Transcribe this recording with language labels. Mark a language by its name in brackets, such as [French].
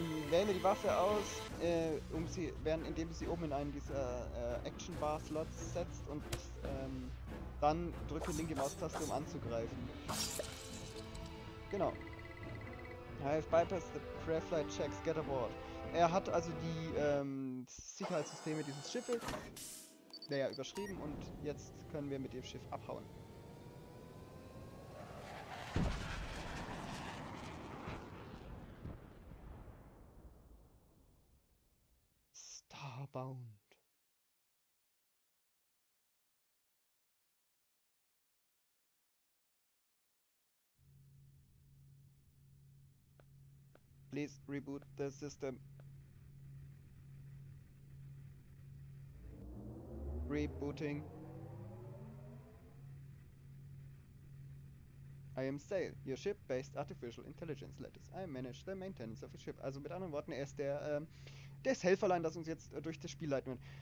[German] Wähle die Waffe aus, indem du sie oben in einen dieser Action Bar Slots setzt und dann drücke linke Maustaste, um anzugreifen. Genau. [English] I've bypassed the pre-flight checks, get aboard. [German] Er hat also die Sicherheitssysteme dieses Schiffes, naja, überschrieben und jetzt können wir mit dem Schiff abhauen. [English] Bound. Please reboot the system. Rebooting. I am Sail, your ship-based artificial intelligence lettuce. I manage the maintenance of your ship. [German] Also mit anderen Worten, er ist der das Helferlein, das uns jetzt durch das Spiel leiten wird.